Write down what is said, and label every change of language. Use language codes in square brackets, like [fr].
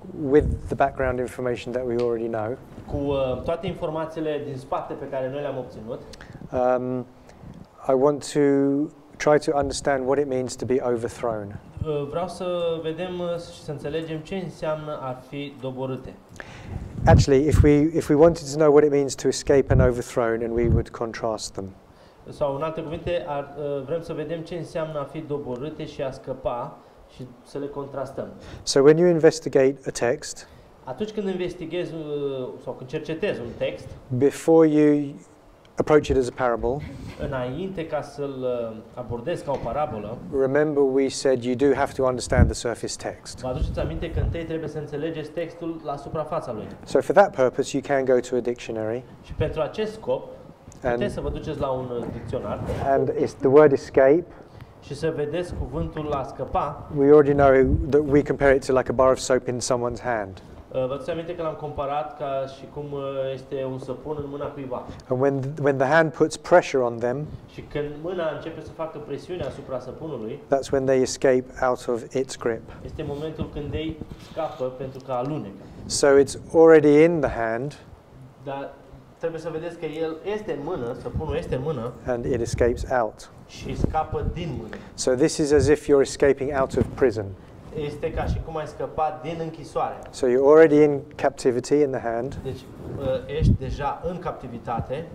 [en] with the background information that we already know, [ro] cu toate informațiile din spate pe care noi le-am obținut, [en] I want to try to understand what it means to be overthrown. [ro] Vreau să vedem și să înțelegem ce înseamnă a fi doborâte. [en] Actually, if we wanted to know what it means to escape an overthrown, and we would contrast them. [ro] Sau în alte cuvinte, vrem să vedem ce înseamnă a fi doborâte și a scăpa și să le contrastăm. [en] So when you investigate a text, [ro] atunci când investighezi sau când cercetezi un text, [en] before you approach it as a parable, [ro] înainte ca să-l abordez ca o parabolă, [en] remember we said you do have to understand the surface text. [ro] Vă aduceți aminte că întâi trebuie să înțelegeți textul la suprafața lui. [en] So for that purpose you can go to a dictionary. [ro] Și pentru acest scop, puteți să vă duceți la un dicționar. [en] And it's the word escape. [ro] Și să vedeți cuvântul la scăpa. [en] We already know that we compare it to like a bar of soap in someone's hand. [ro] Vă aduceți aminte că l-am comparat ca și cum este un săpun în mâna cuiva. [en] And when the hand puts pressure on them, [ro] și când mâna începe să facă presiune asupra săpunului, [en] that's when they escape out of its grip. [ro] Este momentul când ei scapă pentru că alunecă. [en] So it's already in the hand. [ro] Dar trebuie să vedeți că el este în mână, săpunul este în mână. [en] And it escapes out. [ro] Și scapă din mână. [en] So this is as if you're escaping out of prison. [ro] Este ca și cum ai scăpat din închisoare. [en] So you're already in captivity in the hand. [ro] Deci ești deja în captivitate.